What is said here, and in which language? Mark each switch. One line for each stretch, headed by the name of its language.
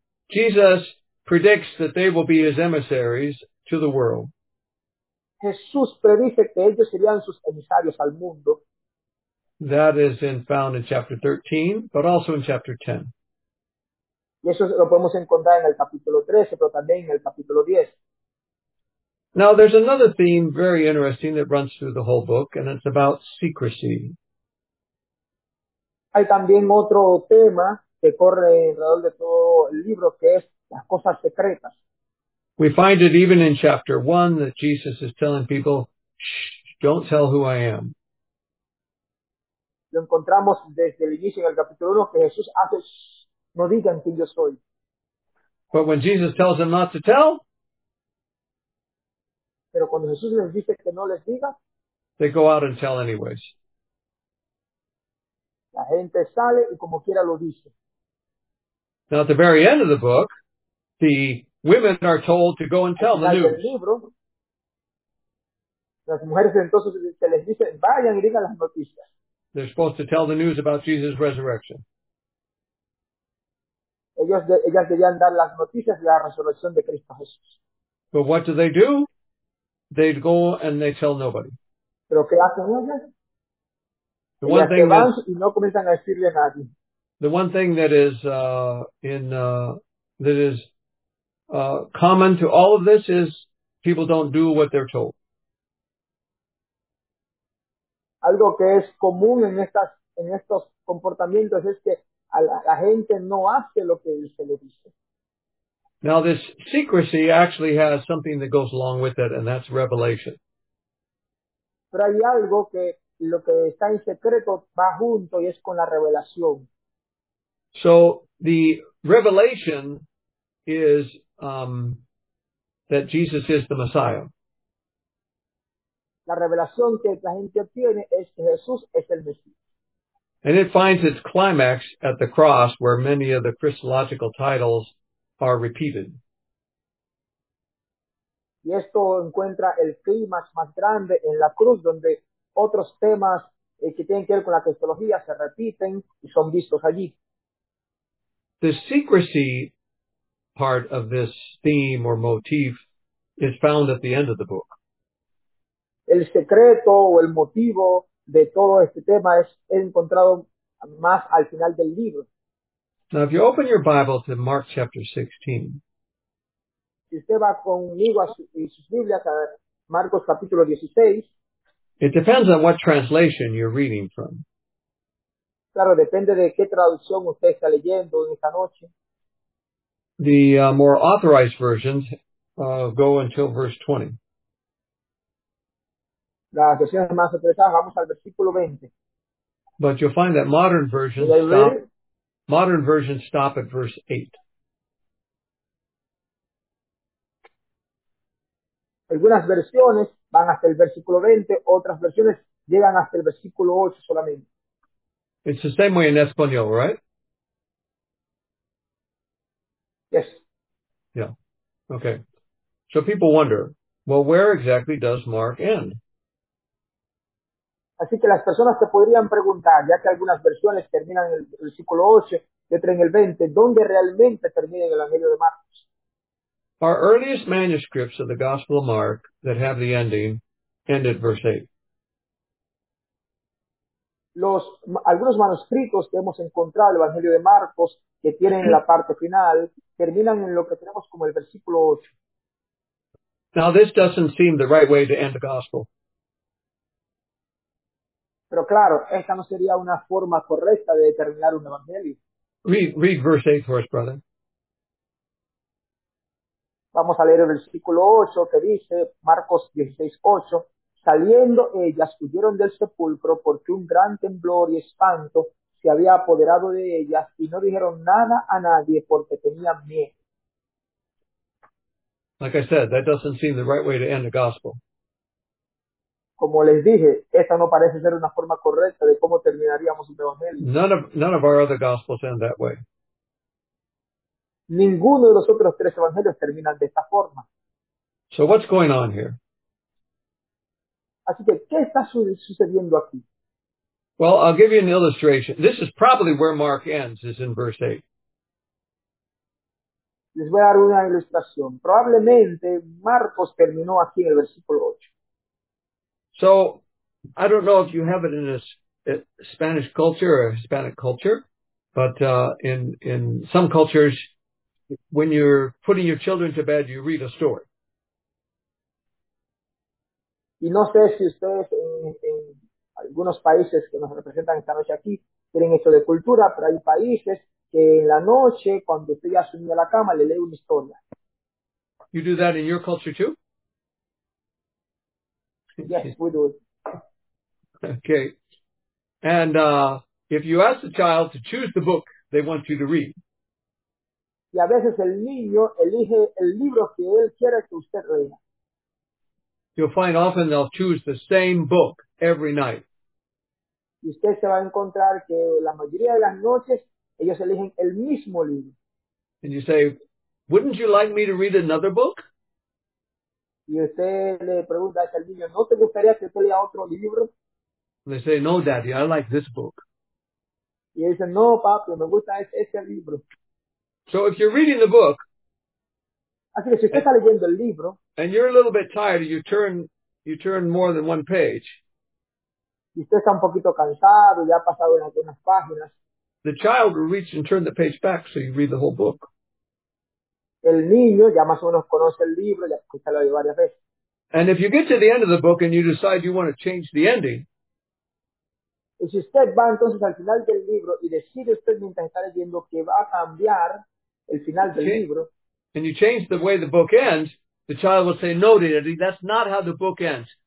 English: Jesus predicts that they will be his emissaries to the world.
Spanish: Jesús predice que ellos serían sus emisarios al mundo.
English: That is found in chapter 13, but also in chapter 10.
Spanish: Y eso lo podemos encontrar en el capítulo 13, pero también en el capítulo 10.
English: Now, there's another theme very interesting that runs through the whole book, and it's about secrecy.
Spanish: Hay también otro tema que corre alrededor de todo el libro, que es las cosas secretas.
English: We find it even in chapter 1 that Jesus is telling people, shh, don't tell who I am.
Spanish: Lo encontramos desde el inicio en el capítulo 1 que Jesús hace, shh, no digan quién yo soy.
English: But when Jesus tells them not to tell,
Spanish: pero cuando Jesús les dice que no les diga,
English: they go out and tell anyways.
Spanish: La gente sale y como quiera lo dice.
English: Now at the very end of the book, the women are told to go and tell the news.
Spanish: Libro, las mujeres entonces se les dicen, vayan y digan las noticias.
English: They're supposed to tell the news about Jesus' resurrection.
Spanish: Ellas debían dar las noticias de la resurrección de Cristo Jesús.
English: But what do? They go and they tell nobody.
Spanish: ¿Pero qué hacen ellas? Ellas van y no comienzan a decirle a nadie.
English: The one thing that is common to all of this is people don't do what they're told.
Spanish: Algo que es común en estos comportamientos es que a la gente no hace lo que se le dice.
English: Now, this secrecy actually has something that goes along with it, and that's revelation.
Spanish: Pero hay algo que lo que está en secreto va junto y es con la revelación.
English: So, the revelation is that Jesus is the Messiah.
Spanish: La revelación que la gente obtiene es que Jesús es el Mesías.
English: And it finds its climax at the cross, where many of the Christological titles are repeated.
Spanish: Y esto encuentra el clímax más grande en la cruz, donde otros temas que tienen que ver con la cristología se repiten y son vistos allí.
English: The secrecy part of this theme or motif is found at the end of the book.
Spanish: El secreto o el motivo de todo este tema es encontrado más al final del libro.
English: Now, if you open your Bible to Mark chapter 16,
Spanish: si usted va conmigo y sus Biblias a Marcos capítulo 16,
English: it depends on what translation you're reading from.
Spanish: Claro, depende de qué traducción usted está leyendo en esta noche.
English: The more authorized versions go until verse 20.
Spanish: Las versiones más autorizadas vamos al versículo 20.
English: But you'll find that modern versions stop. Modern versions stop at verse 8.
Spanish: Algunas versiones van hasta el versículo 20, otras versiones llegan hasta el versículo 8 solamente.
English: It's the same way in Espanol, right? Yes. Yeah. Okay. So people wonder, well, where exactly does Mark end?
Spanish: Así que las personas se podrían preguntar, ya que algunas versiones terminan en el versículo 8, y otras en el 20, ¿dónde realmente termina el Evangelio de Marcos?
English: Our earliest manuscripts of the Gospel of Mark that have the ending end at verse 8.
Spanish: Algunos manuscritos que hemos encontrado, el Evangelio de Marcos, que tienen la parte final, terminan en lo que tenemos como el versículo 8.
English: Now, this doesn't seem the right way to end the Gospel.
Spanish: Pero claro, esta no sería una forma correcta de terminar un Evangelio.
English: Read verse 8 for us, brother.
Spanish: Vamos a leer el versículo 8 que dice, Marcos 16:8. Saliendo ellas, huyeron del sepulcro porque un gran temblor y espanto se había apoderado de ellas y no dijeron nada a nadie porque tenían miedo.
English: Like I said, that doesn't seem the right way to end the gospel.
Spanish: Como les dije, esta no parece ser una forma correcta de cómo terminaríamos un evangelio.
English: None of our other gospels end that way.
Spanish: Ninguno de los otros tres evangelios terminan de esta forma.
English: So what's going on here?
Spanish: Así que, ¿qué está sucediendo aquí?
English: Well, I'll give you an illustration. This is probably where Mark ends, is in verse 8.
Spanish: Les voy a dar una ilustración. Probablemente Marcos terminó aquí en el versículo 8.
English: So, I don't know if you have it in a Spanish culture or a Hispanic culture, but in some cultures, when you're putting your children to bed, you read a story.
Spanish: Y no sé si ustedes en algunos países que nos representan esta noche aquí tienen esto de cultura, pero hay países que en la noche, cuando usted ya subió a la cama, le lee una historia.
English: You do that in your culture too? Yes, we do. Okay. And if you ask the child to choose the book they want you to read.
Spanish: Y a veces el niño elige el libro que él quiere que usted lea.
English: You'll find often they'll choose the same book every night.
Spanish: Y usted se va a encontrar que la mayoría de las noches ellos eligen el mismo libro.
English: And you say, wouldn't you like me to read another book?
Spanish: Y usted le pregunta al niño, ¿no te gustaría que usted lea otro libro?
English: And they say, no, daddy, I like this book.
Spanish: Y él dice, no, papi, me gusta este libro.
English: So if you're reading the book,
Spanish: así que si usted está leyendo el libro,
English: and you're a little bit tired, you turn more than one page.
Spanish: Usted está un poquito cansado, ya ha pasado unas páginas.
English: The child will reach and turn the page back, so you read the whole book.
Spanish: El niño ya más o menos conoce el libro, ya se lo ha leído varias veces.
English: And if you get to the end of the book and you decide you want to change the ending,
Spanish: y si usted va entonces al final del libro y decide usted mientras está leyendo que va a cambiar el final del libro,
English: and you change the way the book ends, the child will say, no, Daddy, that's not how the book ends.